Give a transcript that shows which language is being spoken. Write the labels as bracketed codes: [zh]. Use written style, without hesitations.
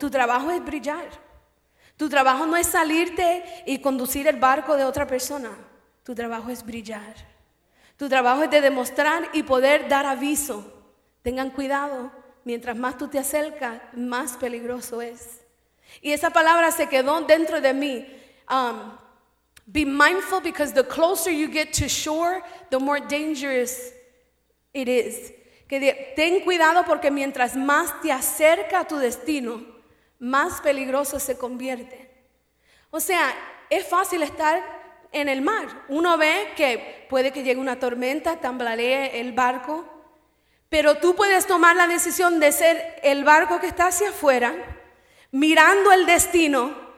[es] Tu trabajo es brillar. Tu trabajo no es salirte y conducir el barco de otra persona. Tu trabajo es brillar. Tu trabajo es de demostrar y poder dar aviso. Tengan cuidado, mientras más tú te acercas, más peligroso es. Y esa palabra se quedó dentro de mí. [en] Be mindful because the closer you get to shore, the more dangerous it is. [es] Que ten cuidado porque mientras más te acerca a tu destino, más peligroso se convierte. O sea, es fácil estar en el mar. Uno ve que puede que llegue una tormenta, tambalee el barco. Pero tú puedes tomar la decisión de ser el barco que está hacia afuera, mirando el destino.